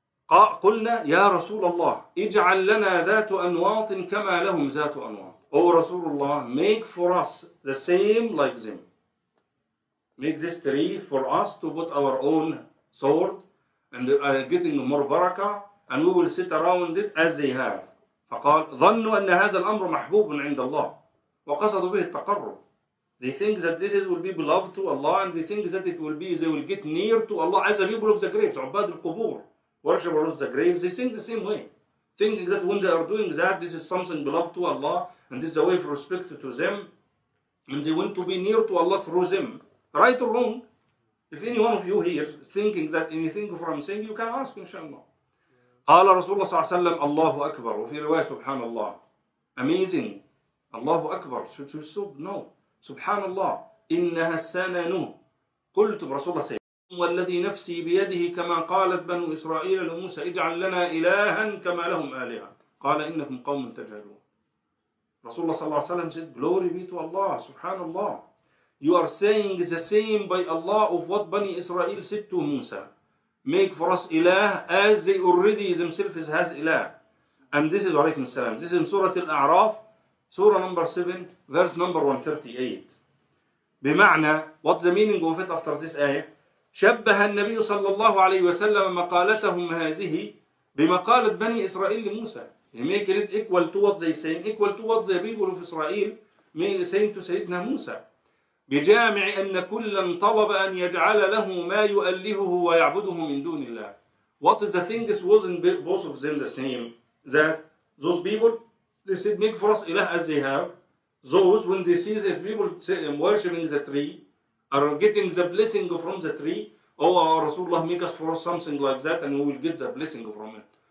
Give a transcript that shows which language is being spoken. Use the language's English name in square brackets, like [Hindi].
[Arabic] قلنا يا رسول الله اجعل لنا ذات أنواط كما لهم ذات أنواط. [English] O رسول الله, make for us the same like them. Make this tree for us to put our own sword and getting more baraka, and we will sit around it as they have. [Arabic] فقال ظنوا أن هذا الأمر محبوب عند الله وقصدوا به التقرب. [English] They think that this is will be beloved to Allah, and they think that it will be they will get near to Allah as a people of the graves, [Arabic] عباد القبور, [English] worshipers of the graves. They think the same way, thinking that when they are doing that, this is something beloved to Allah, and this is a way of respect to them, and they want to be near to Allah through them. Right or wrong? If any one of you here is thinking that anything of what I'm saying, you can ask, inshallah. [Arabic] قال رسول الله صلى الله عليه وسلم الله أكبر وفي رواية سبحان الله. [English] Amazing. [Arabic] الله أكبر. [English] Should you stop? No. [Arabic] سبحان الله. إنها السنن. قلت رسول الله صلى الله عليه وسلم والذي نفسي بيده كما قالت بنو إسرائيل لموسى اجعل لنا إلها كما لهم آلهة. قال إنكم قوم تجهلون. رسول الله صلى الله عليه وسلم [English] said, glory be to Allah. [Arabic] سبحان الله. [English] You are saying the same by Allah of what Bani Israel said to Musa. Make for us ilah as they already themselves has ilah. And this is alaykum salam. This is in Surah Al-A'raf, Surah number 7, verse number 138. بمعنى, what's the meaning of it after this ayah? [Arabic] شبه النبي صلى الله عليه وسلم مقالتهم هذه بمقالة بني إسرائيل لموسى. [English] He make it equal to what they say, equal to what the people of Israel saying to سيدنا موسى. [Arabic] بجامع أن كلا طلب أن يجعل له ما يؤلهه ويعبده من دون الله. [English] What is the thing is wasn't both of them the same? That those people, they said make for us إله as they have. Those when they see these people worshiping the tree, are getting the blessing from the tree. Oh, our Rasulullah make us for us something like that and we will get the blessing from it.